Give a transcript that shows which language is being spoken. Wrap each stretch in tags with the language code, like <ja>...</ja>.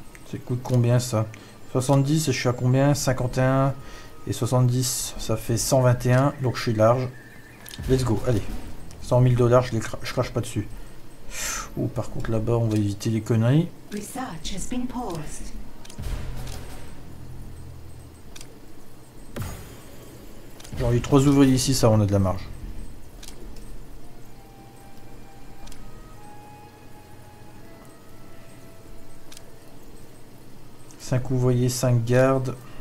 <fr>Ça Ça coûte combien ça? 70 et je suis à combien? 51 et 70, ça fait 121, donc je suis large.</fr> <en>Let's go,</en> <fr>allez. 100 000 dollars, je crache pas dessus. Ou par contre là-bas, on va éviter les conneries.</fr> <en>Research has been paused.</en> <fr>J'ai envie 3 ouvriers ici, ça on a de la marge. Cinq ouvriers, 5 gardes.</fr>